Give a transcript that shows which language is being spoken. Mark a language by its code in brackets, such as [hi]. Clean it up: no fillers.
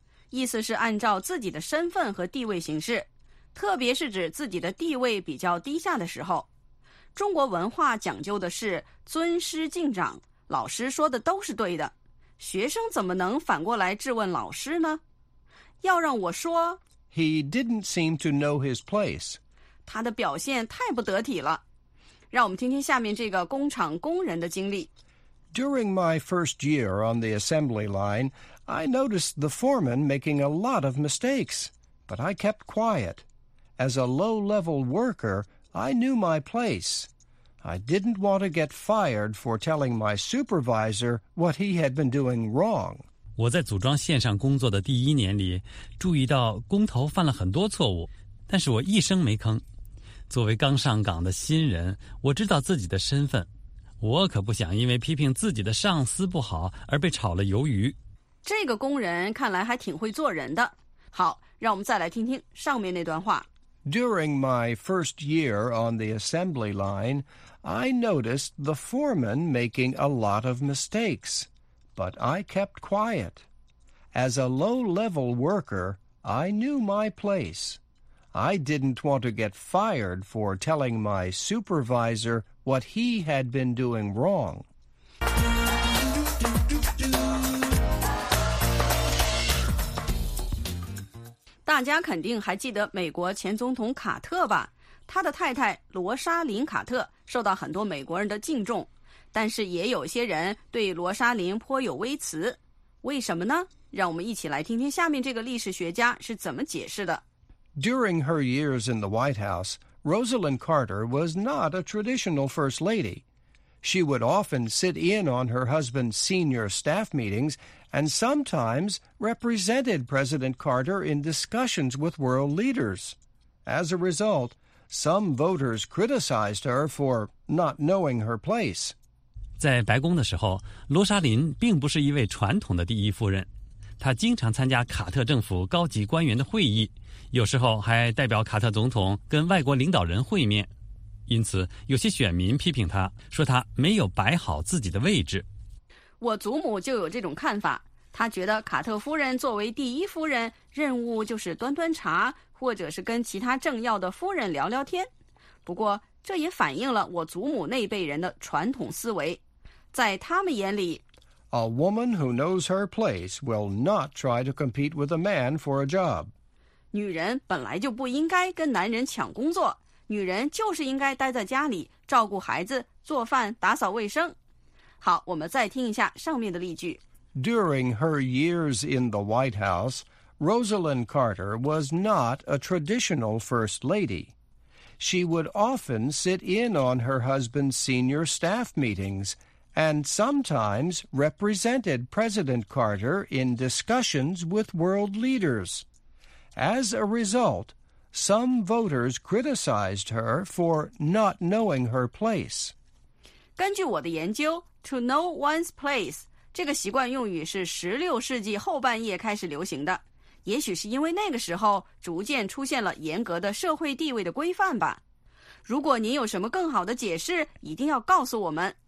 [zh] 意思是按照自己的身份和地位行事，特别是指自己的地位比较低下的时候。中国文化讲究的是尊师敬长，老师说的都是对的，学生怎么能反过来质问老师呢？要让我说， [en] He didn't seem to know his place. [zh] 他的表现太不得体了。让我们听听下面这个工厂工人的经历。 [en] During my first year on the assembly line, I noticed the foreman making a lot of mistakes, but I kept quiet. As a low-level worker, I knew my place. I didn't want to get fired for telling my supervisor what he had been doing wrong. [zh] 我在组装线上工作的第一年里，注意到工头犯了很多错误，但是我一声没吭。作为刚上岗的新人，我知道自己的身份，我可不想因为批评自己的上司不好而被炒了鱿鱼。这个工人看来还挺会做人的。好，让我们再来听听上面那段话。 [en] During my first year on the assembly line, I noticed the foreman making a lot of mistakes, but I kept quiet. As a low-level worker, I knew my place. I didn't want to get fired for telling my supervisor what he had been doing wrong. [zh] 大家肯定还记得美国前总统卡特吧？他的太太罗莎琳·卡特受到很多美国人的敬重，但是也有些人对罗莎琳颇有微词。为什么呢？让我们一起来听听下面这个历史学家是怎么解释的。 [en] During her years in the White House, Rosalynn Carter was not a traditional first lady. She would often sit in on her husband's senior staff meetings and sometimes represented President Carter in discussions with world leaders. As a result, some voters criticized her for not knowing her place. [zh] 在白宫的时候，罗莎琳并不是一位传统的第一夫人。他经常参加卡特政府高级官员的会议，有时候还代表卡特总统跟外国领导人会面。因此，有些选民批评他，说他没有摆好自己的位置。我祖母就有这种看法，她觉得卡特夫人作为第一夫人，任务就是端端茶，或者是跟其他政要的夫人聊聊天。不过，这也反映了我祖母那辈人的传统思维，在他们眼里， [en] A woman who knows her place will not try to compete with a man for a job. [zh] 女人本来就不应该跟男人抢工作，女人就是应该待在家里，照顾孩子，做饭，打扫卫生。好，我们再听一下上面的例句。 During her years in the White House, Rosalynn Carter was not a traditional first lady. She would often sit in on her husband's senior staff meetings,and sometimes represented President Carter in discussions with world leaders. As a result, some voters criticized her for not knowing her place. 根据我的研究 , [en] to know one's place, [zh] 这个习惯用语是16世纪后半叶开始流行的。也许是因为那个时候逐渐出现了严格的社会地位的规范吧。如果您有什么更好的解释，一定要告诉我们。